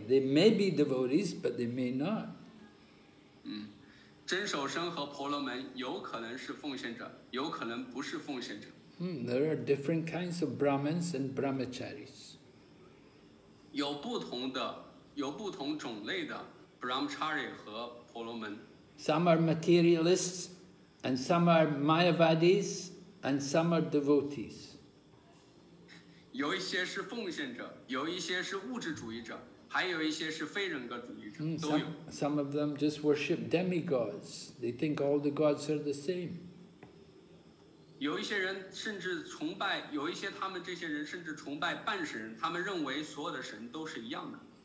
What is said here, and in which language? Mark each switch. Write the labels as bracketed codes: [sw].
[en] They may be devotees, but they may not. [zh] 真守身和婆罗门有可能是奉献者，有可能不是奉献者。 [en] There are different kinds of Brahmins and Brahmacharis. [zh] 有不同种类的 Brahmachari 和婆罗门。 [en] Some are materialists, and some are Mayavadis, and some are devotees. [zh] 有一些是奉献者，有一些是物质主义者，还有一些是非人格主义者，都有。 [en] Some of them just worship demigods. They think all the gods are the same. [zh] 有一些人甚至崇拜，有一些他们这些人甚至崇拜半神，他们认为所有的神都是一样的。